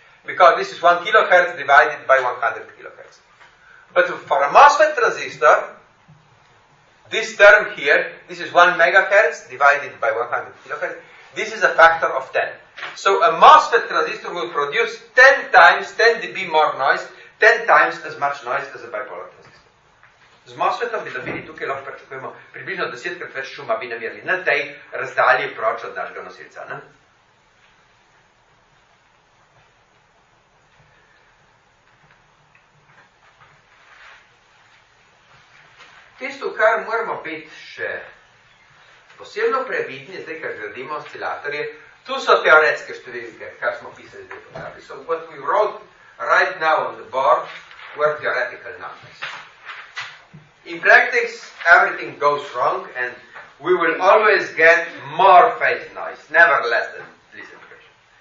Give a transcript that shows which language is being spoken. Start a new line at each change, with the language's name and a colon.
English: Because this is 1 kHz divided by 100 kHz. But for a MOSFET transistor, this term here, this is 1 MHz divided by 100 kHz, this is a factor of 10. So a MOSFET transistor will produce 10 times, 10 dB more noise, 10 times as much noise as a bipolar transistor.
Slovenian: Z MOSFETom bi dobili tukaj, lahko pričakujemo, približno 10-krat več šuma bi namerili na tej razdalji proč od našega nosilca. Ne? Tisto, kar moramo biti še posebno previdni, zdaj, kar gradimo oscilatorje, tu so teoretske številke, kar smo pisali zdaj po tabli.
English: So what we wrote right now on the board were theoretical numbers. In practice, everything goes wrong and we will always get more phase noise, never less than Leeson equation.